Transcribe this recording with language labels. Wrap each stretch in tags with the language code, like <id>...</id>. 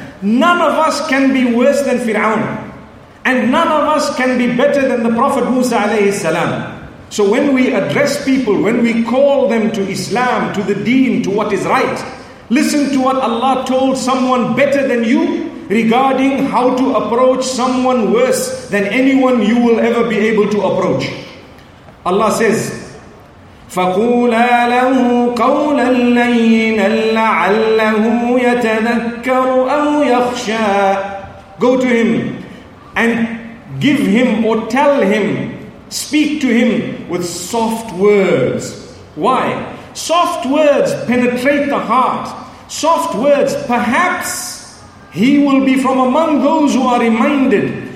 <en>None of us can be worse than Fir'aun. And none of us can be better than the Prophet Musa alayhi salam. So when we address people, when we call them to Islam, to the deen, to what is right, listen to what Allah told someone better than you regarding how to approach someone worse than anyone you will ever be able to approach. Allah says,</en> <ar>فَقُولَا لَهُ قَوْلًا لَيِّنًا لَعَلَّهُ يَتَذَكَّرُ أَوْ يَخْشَى.</ar> <en>Go to him and give him or tell him, speak to him with soft words. Why? Soft words penetrate the heart. Soft words, perhaps he will be from among those who are reminded.</en>